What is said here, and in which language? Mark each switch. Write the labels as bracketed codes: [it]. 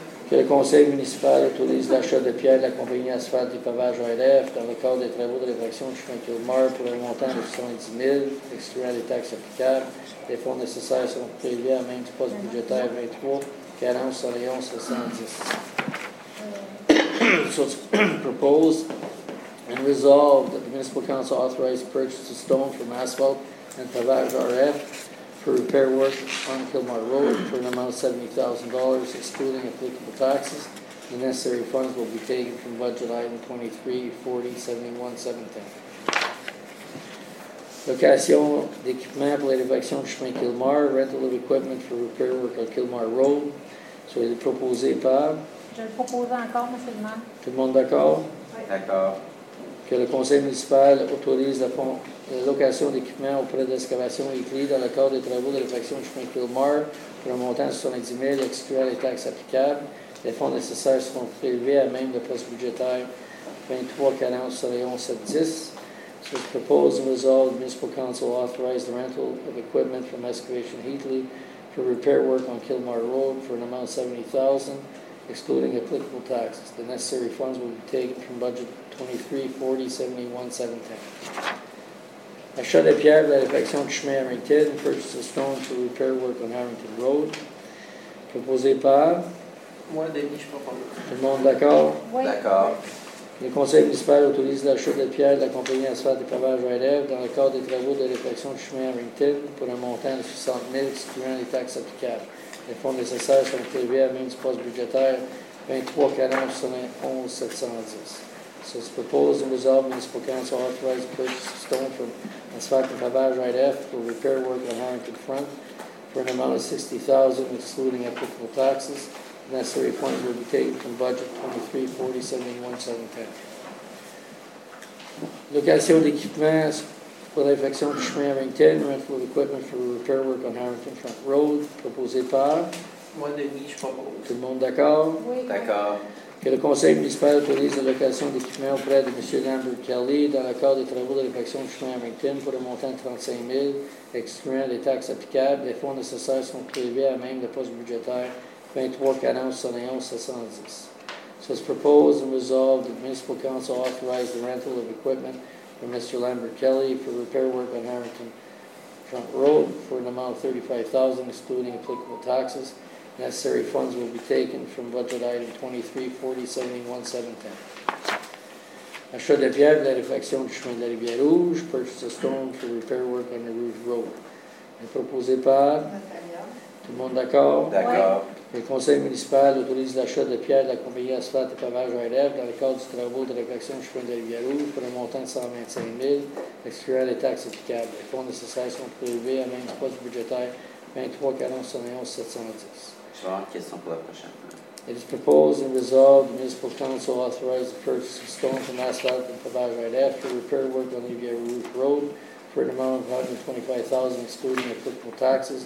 [fr] Que le conseil municipal autorise l'achat de pierre de la compagnie asphalte du pavage ORF dans le cadre des travaux de réfection du chemin Kilmar pour un montant de 70 000, excluant les taxes applicables. Les fonds nécessaires sont prélevés à même du poste budgétaire 23-41-70. [en] So it's proposed and resolved that the Municipal Council authorize purchase of stone from Asphalt and Pavage RF for repair work on Kilmar Road for an amount of $70,000, excluding applicable taxes. The necessary funds will be taken from budget item 23-40-71-710. [fr] Location d'équipement pour l'évacuation du chemin Kilmar, [en] rental of equipment for repair work on Kilmar Road. So it's proposed by. [fr] Je le propose encore, Monsieur le maire. Tout le monde d'accord? Oui. D'accord. Que le conseil municipal autorise la, la location d'équipement auprès d'excavation écrite dans le cadre des travaux de réfection du chemin Kilmar pour un montant de 70 000, excluant les taxes applicables. Les fonds nécessaires seront prélevés à même le poste budgétaire 23-40-71-70. [en] So it's proposed and resolved the Municipal Council authorize the rental of equipment from Excavation Heatley for repair work on Kilmar Road for an amount of $70,000. Excluding applicable taxes. The necessary funds will be taken from budget 23-40-71-710. [fr] Achat de pierre, la réfection du chemin Harrington, [en] purchase of stone for repair work on Harrington Road. [fr] Proposé par? Moi, Denis, je propose. Tout le monde d'accord? Oui. D'accord. Le conseil municipal autorise l'achat de pierre de la compagnie asphalte des pavages RF dans le cadre des travaux de réfection du chemin Harrington pour un montant de 60 000, excluant les taxes applicables. Les fonds nécessaires sont prélevés à même du poste budgétaire 23-40-71-710. [en] So it's proposed and resolved Municipal Council authorized purchase of stone from Asphalt and Pavage RF for repair work on Harrington Front for an amount of $60,000, excluding applicable taxes. The necessary funds will be taken from budget 23-40-71-710. [fr] Location d'équipements pour l'infection du chemin Harrington, [en] rental of equipment for repair work on Harrington Front Road, [fr] proposé par? Moi, Denis, je propose. Tout le monde d'accord? Oui. D'accord. Que le conseil municipal autorise la location d'équipement auprès de M. Lambert Kelly dans le cadre des travaux de l'infection du chemin Harrington pour un montant de 35 000, excluant les taxes applicables. Les fonds nécessaires sont prélevés à même le poste budgétaire 23-40-71-710. [en] So it's proposed and resolved that the Municipal Council authorize the rental of equipment for Mr. Lambert Kelly for repair work on Harrington Front Road for an amount of $35,000, excluding applicable taxes. Necessary funds will be taken from budget item 23-40-71-710. [fr] Achat de pierre de la réfection du chemin de la Rivière Rouge, [en] purchase of stone for repair work on the Rouge Road. [fr] Proposé par? Nathalie. Tout le monde d'accord? D'accord. Le conseil municipal autorise l'achat de pierres de la compagnie Asphalte et Pavage RF dans le cadre du travaux de réfection du chemin de la Rivière-Rouge pour un montant de 125 000, excluant les taxes applicables. Les fonds nécessaires sont prélevés à même du poste budgétaire 23-41-711-710. Sur question pour la prochaine. [en] It is proposed and resolved the municipal council authorize the purchase of stone from Asphalte et Pavage RF to repair work on the Rivière-Rouge Road for an amount of $125,000, excluding applicable taxes.